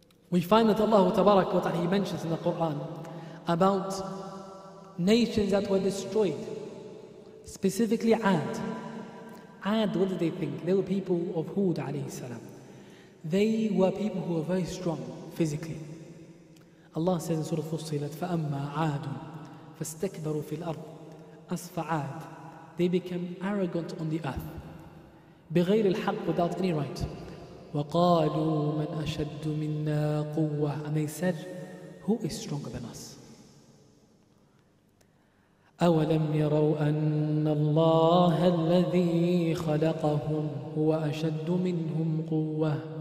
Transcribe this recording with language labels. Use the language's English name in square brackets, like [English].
[English] We find that Allah Tabaraka wa Ta'ala, He mentions in the Quran about nations that were destroyed. Specifically, Ad. Ad, what did they think? They were people of Hud alayhi salam. They were people who were very strong physically. Allah says in Surah Fussilat, [Arabic] فَأَمَّا عَادٌ فَاسْتَكْبَرُوا فِي الْأَرْضِ أَسْفَ عَادٌ. [English] They became arrogant on the earth. [Arabic] بِغَيْرِ الْحَقِّ, [English] without any right. [Arabic] وَقَالُوا مَنْ أَشَدُّ مِنَّا قُوَّةٌ. [English] And they said, who is stronger than us? [Arabic] أَوَلَمْ يَرَوْا أَنَّ اللَّهَ الَّذِي خَلَقَهُمْ هُوَ أَشَدُّ مِنْهُمْ قُوَّةٌ.